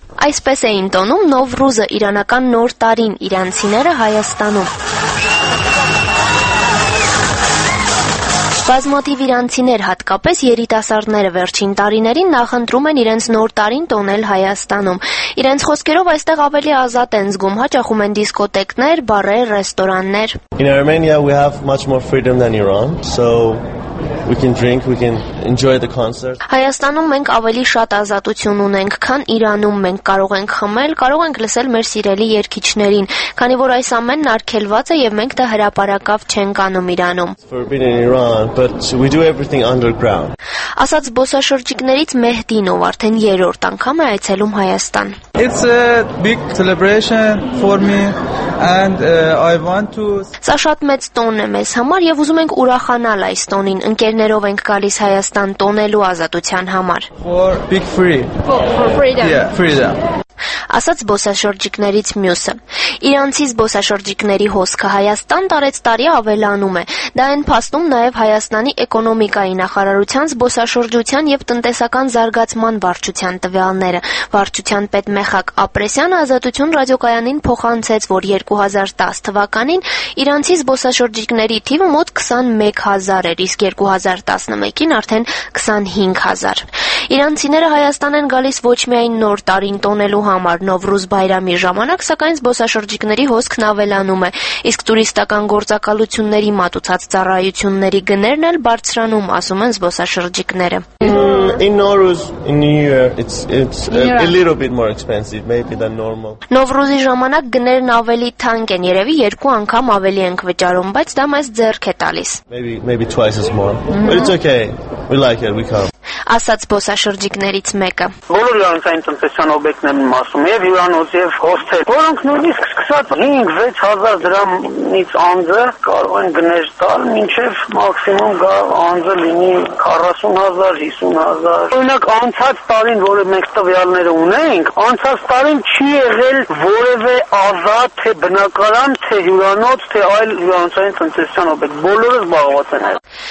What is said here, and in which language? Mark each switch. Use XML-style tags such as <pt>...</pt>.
<hy>Այսպես էին տոնում Նովրուզը, իրանական նոր տարին, իրանցիները Հայաստանում։ Բազմաթիվ իրանցիներ, հատկապես երիտասարդները, վերջին տարիներին նախընտրում են իրենց նոր տարին տոնել Հայաստանում։ Իրենց խոսքերով այստեղ ավելի ազատ են զգում, հաճախում են դիսկոտեկներ, բարեր, ռեստորաններ։</hy> <en>In Armenia we have much more freedom than Iran, so we can drink, we can enjoy the concert.</en> <hy>Հայաստանում մենք ավելի շատ ազատություն ունենք, քան Իրանում, մենք կարող ենք խմել, կարող ենք լսել մեր սիրելի երգիչներին, քանի որ այս ամենն արգելված է եւ մենք դա հրապարակավ չենք անում Իրանում։</hy> <en>But we do everything underground.</en> <hy>Ասած զբոսաշրջիկներից Մեհդին, ով արդեն երրորդ անգամ է այցելում Հայաստան։</hy> <en>It's a big celebration for me and I want to</en> <hy>Սա շատ մեծ տոն է մեզ համար եւ ուզում ենք ուրախանալ այս տոնին։ Ընկերներով ենք գալիս Հայաստան տոնելու ազատության համար։</hy> <en>For big free. For freedom. Yeah, freedom.</en> <hy>Ասաց զբոսաշրջիկներից մյուսը։ Իրանցի զբոսաշրջիկների հոսքը Հայաստան տարեց տարի ավելանում է։ Դա են փաստում նաև Հայաստանի էկոնոմիկայի նախարարության զբոսաշրջության և տնտեսական զարգացման վարչության տվյալները։ Վարչության պետ Մեխակ Ապրեսյանը Ազատություն ռադիոկայանին փոխանցեց, որ 2010 թվականին իրանցի զբոսաշրջիկների թիվը մոտ 21,000 էր, իսկ 2011-ին արդեն 25,000։ Իրանցիները Հայաստան են գալիս ոչ միայն նոր տարին տոնելու համար, Նովրուզ բայրամի ժամանակ, սակայն զբոսաշրջիկների հոսքն ավելանում է, իսկ տուրիստական գործակալությունների մատուցած ծառայությունների գներն էլ բարձրանում, ասում են զբոսաշրջիկները։</hy> <en>In Nowruz, in New Year, it's a little bit more expensive, maybe than normal.</en> <hy>Նովրուզի ժամանակ գներն ավելի թանկ են, երևի երկու անգամ ավելի ենք վճարում, բայց դա մեզ ձեռք է տալիս։</hy> <en>Maybe twice as more, but it's okay, we like it, we come.</en> <hy>Ասաց զբոսաշրջիկներից մեկը։ Բոլոր հյուրանոցային տնտեսական օբյեկտներն ասում եւ հյուրանոց եւ հոսթել, որոնք նույնիսկ սկսած 5-6000 դրամից անձը կարող են գներ տալ, մինչեւ մաքսիմում գա անձը լինի 40,000-50,000։ Օրինակ անցած տարին, որը մենք տվյալները ունենք, անցած տարին չի եղել որևէ ազատ թե բնակարան, թե հյուրանոց, թե այլ հյուրանոցային տնտեսական օբյեկտ, բոլորը զբաղված են եղել։</hy>